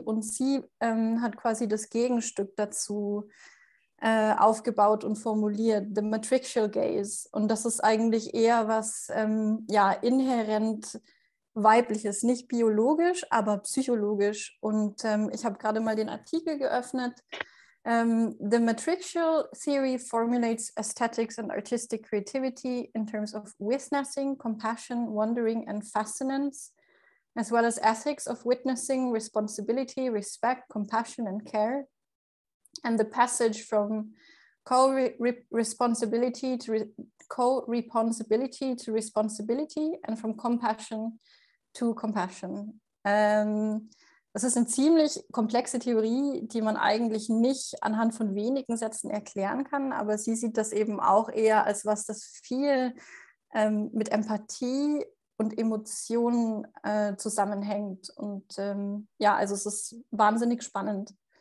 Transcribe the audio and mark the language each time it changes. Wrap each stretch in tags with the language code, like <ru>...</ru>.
<de>Und sie hat quasi das Gegenstück dazu aufgebaut und formuliert, the Matrixial Gaze. Und das ist eigentlich eher was inhärent Weibliches, nicht biologisch, aber psychologisch. Und ich habe gerade mal den Artikel geöffnet.</de> <en>The Matrixial Theory formulates aesthetics and artistic creativity in terms of witnessing, compassion, wondering and fascinance, as well as ethics of witnessing, responsibility, respect, compassion and care. And the passage from co-responsibility to responsibility and from compassion to compassion.</en> <de>Das ist eine ziemlich komplexe Theorie, die man eigentlich nicht anhand von wenigen Sätzen erklären kann, aber sie sieht das eben auch eher als was, das viel mit Empathie und Emotionen zusammenhängt. Und also es ist wahnsinnig spannend.</de>